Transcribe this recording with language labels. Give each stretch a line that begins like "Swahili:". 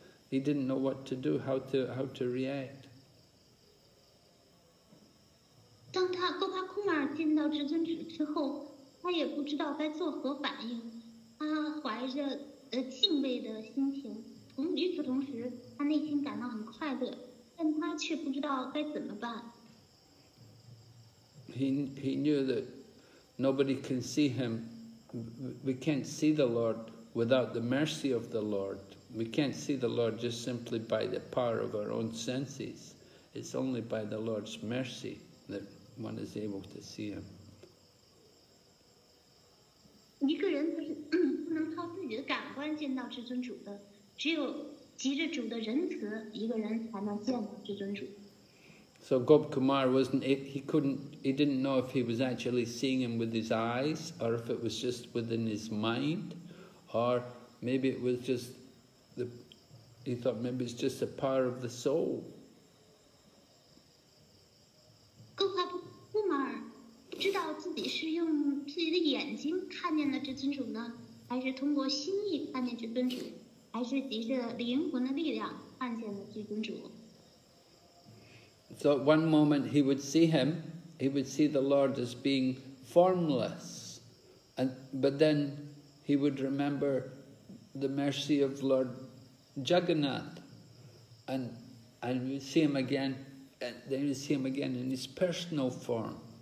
English: He didn't know what to do, how to react.
Chinese: 当他戈巴库马尔见到至尊主之后，他也不知道该作何反应。他怀着敬畏的心情，与此同时，他内心感到很快乐，但他却不知道该怎么办。
English: He knew that nobody can see him. We can't see the Lord without the mercy of the Lord. We can't see the Lord just simply by the power of our own senses. It's only by the Lord's mercy that one is able to see Him.
Chinese: 一个人不能靠自己的感官见到至尊主的，只有藉着主的仁慈，一个人才能见到至尊主。
English: So Gop Kumar wasn't, he couldn't, he didn't know if he was actually seeing Him with his eyes, or if it was just within his mind, or maybe it was justHe thought maybe it's just a power of the soul.
Chinese: Gopakumar 知道自己是用自己的眼睛看见了至尊主呢，还是通过心意看见至尊主，还是藉着灵魂的力量看见了至尊主。
English: So one moment he would see him, he would see the Lord as being formless, but then he would remember the mercy of Lord. Jagannath, and you see him again, and then you see him again in his personal form.